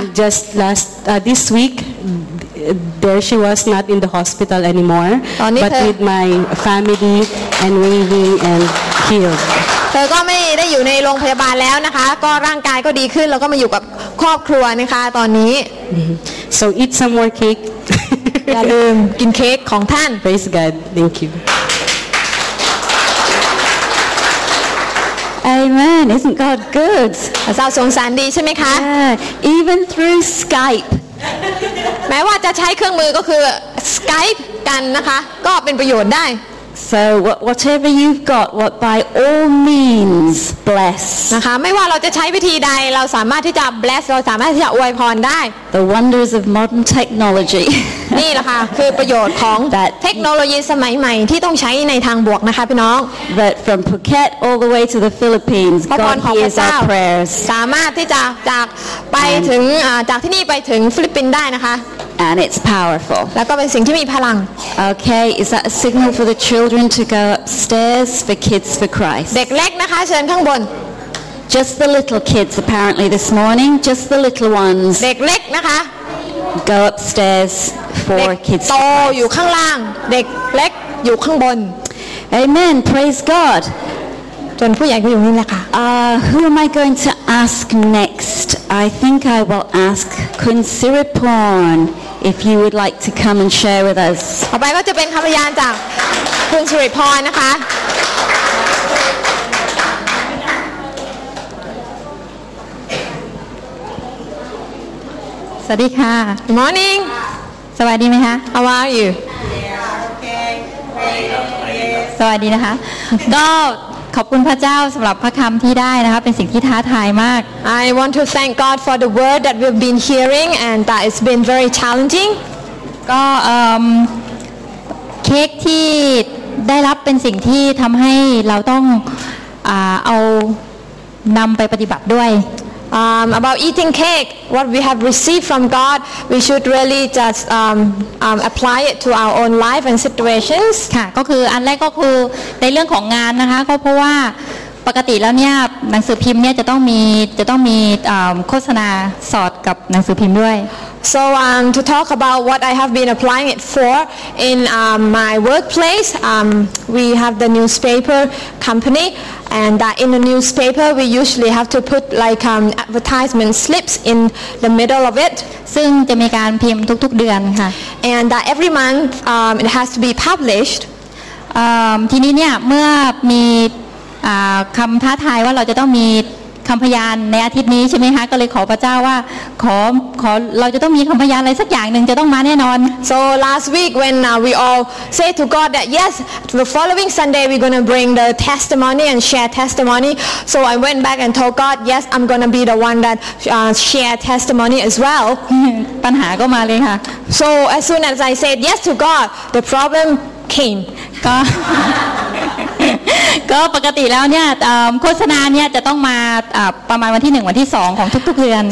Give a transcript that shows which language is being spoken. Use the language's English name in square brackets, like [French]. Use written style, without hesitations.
[English] And just last this week, there she was not in the hospital anymore, but with my family and waving and healed. [Thai] เธอก็ไม่ได้อยู่ในโรงพยาบาลแล้วนะคะก็ร่างกายก็ดีขึ้นแล้วก็มาอยู่กับครอบครัวนะคะตอนนี้ [English] So eat some more cake. [Thai] อย่าลืมกินเค้กของท่าน [English] Praise God. Thank you. Amen. Isn't God good? [Thai] พระเจ้าทรงสันดีใช่ไหมคะ [English] Yeah. Even through Skype. [Thai] แม้ว่าจะใช้เครื่องมือก็คือ Skype กันนะคะก็เป็นประโยชน์ได้ [English] So whatever you've got, what by all means bless. [Thai] นะคะไม่ว่าเราจะใช้วิธีใดเราสามารถที่จะ bless เราสามารถที่จะอวยพรได้ [English] The wonders of modern technology. [Thai] นี่แหละค่ะคือประโยชน์ของเทคโนโลยีสมัยใหม่ที่ต้องใช้ในทางบวกนะคะพี่น้อง [English] That from Phuket all the way to the Philippines, God hears our prayers. [Thai] สามารถที่จะจากไปถึงจากที่นี่ไปถึงฟิลิปปินส์ได้นะคะ [English] And it's powerful. [Thai] แล้วก็เป็นสิ่งที่มีพลัง [English] Okay, is that a signal for the children to go upstairs for kids for Christ? [Thai] เด็กเล็กนะคะเชิญข้างบน [English] Just the little kids apparently this morning. Just the little ones. [Thai] เด็กเล็กนะคะ [English] go upstairs for kids. [Thai] โตอยู่ข้างล่างเด็กเล็กอยู่ข้างบน [English] Amen. Praise God. [Thai] จนผู้ใหญ่ก็อยู่นี่แหละค่ะ [English] Who am I going to ask next? I think I will ask Kun Siriporn if you would like to come and share with us. [Thai] ต่อไปก็จะเป็นคำพยานจากคุณสิริพรนะคะ สวัสดีค่ะ [English] Good morning [Thai] สวัสดีไหมคะ [English] How are you [Thai] สวัสดีนะคะก็ขอบคุณพระเจ้าสำหรับพระคำที่ได้นะคะเป็นสิ่งที่ท้าทายมาก [English] I want to thank God for the word that we've been hearing and that it's been very challenging [Thai] ก็เค้กที่ได้รับเป็นสิ่งที่ทำให้เราต้องเอานำไปปฏิบัติด้วย [English] About eating cake, what we have received from God, we should really just apply it to our own life and situations. [Thai] ค่ะก็คืออันแรกก็คือในเรื่องของงานนะคะก็เพราะว่าปกติแล้วเนี่ยหนังสือพิมพ์เนี่ยจะต้องมีโฆษณาสอดกับหนังสือพิมพ์ด้วย [English] So to talk about what I have been applying it for in my workplace, we have the newspaper company. And that in the newspaper we usually have to put like advertisement slips in the middle of it. [Thai] ซึ่งจะมีการพิมพ์ทุกๆเดือนค่ะ [English] And that every month it has to be published. [Thai] ทีนี้เนี่ยเมื่อมีคำท้าทายว่าเราจะต้องมีคำพยานในอาทิตย์นี้ใช่ไหมคะก็เลยขอพระเจ้าว่าขอเราจะต้องมีคำพยานอะไรสักอย่างหนึ่งจะต้องมาแน่นอน [English] So last week when we all say to God that yes the following Sunday we're gonna bring the testimony and share testimony so I went back and told God yes I'm gonna be the one that share testimony as well [Thai] ปัญหาก็มาเลยค่ะ [English] So as soon as I said yes to God the problem came [Thai] ก็ปกติแล้วเนี่ยโฆษณาเนี่ยจะต้องมาประมาณวันที่1วันที่2ของทุกๆเดือน